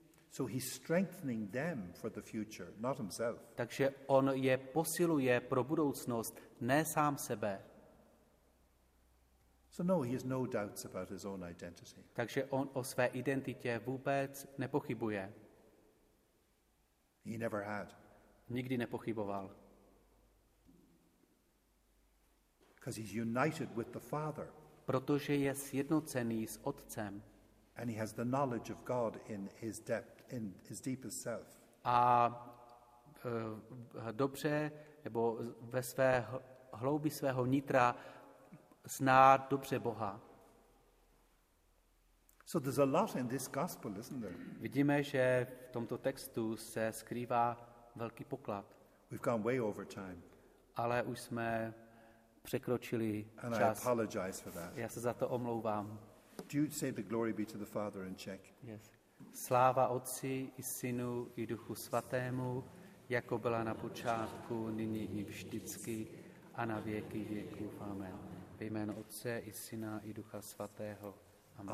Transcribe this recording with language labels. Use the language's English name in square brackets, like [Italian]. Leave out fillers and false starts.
[English] So he's strengthening them for the future, not himself. [Czech] Takže on je posiluje pro budoucnost, ne sám sebe. [English] So no, he has no doubts about his own identity. [Czech] Takže on o své identitě vůbec nepochybuje. [English] He never had. [Czech] Nikdy nepochyboval. [English] Because he's united with the Father. [Czech] Protože je sjednocený s Otcem. [English] And he has the knowledge of God in his depth, in his deepest self. [Czech] A dobře, nebo ve své hloubi svého nitra zná dobře Boha. [English] So there's a lot in this gospel, isn't there? [Czech] Vidíme, že v tomto textu se skrývá velký poklad. [English] We've gone way over time. [Czech] Ale už jsme překročili [English] and [Czech] čas. [English] I apologize for that. [Czech] Já se za to omlouvám. [English] Do you say the glory be to the Father in Czech? Yes. [Czech] Sláva Otci i Synu i Duchu Svatému, jako byla na počátku, nyní i vždycky a na věky věků. Amen. Ve jménu Otce i Syna i Ducha Svatého. Amen.